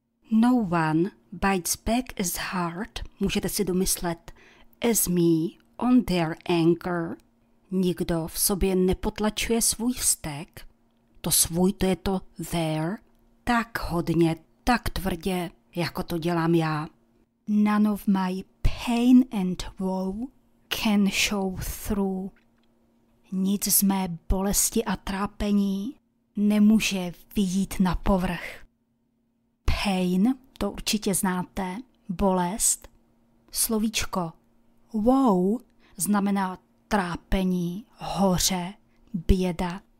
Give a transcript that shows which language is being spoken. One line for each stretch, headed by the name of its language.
English: No one bites back as hard,
Czech: můžete si domyslet,
English: as me on their anger.
Czech: Nikdo v sobě nepotlačuje svůj vztek, to svůj to je to there, tak hodně, tak tvrdě, jako to dělám já.
English: None of my pain and woe can show through.
Czech: Nic z mé bolesti a trápení nemůže vyjít na povrch. Pain, to určitě znáte, bolest. Slovíčko woe znamená trápení, hoře, běda.